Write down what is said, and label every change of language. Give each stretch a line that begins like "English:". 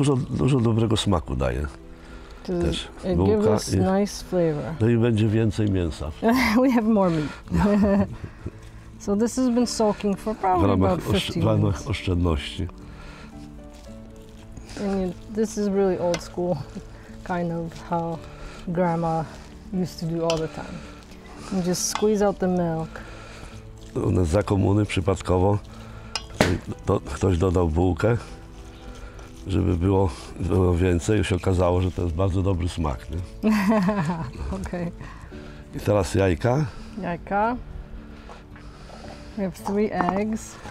Polish: Dużo dobrego smaku daje.
English: It gives us nice flavor.
Polish: No i będzie więcej mięsa.
English: We have more meat. So this has been soaking for probably about 15 minutes.
Polish: W ramach oszczędności.
English: And this is really old school, kind of how grandma used to do all the time. And just squeeze out the milk.
Polish: U nas za komuny przypadkowo ktoś dodał bułkę. Żeby było więcej, już się okazało, że to jest bardzo dobry smak, nie?
English: Okay.
Polish: I teraz jajka.
English: Jajka. We have 3 eggs.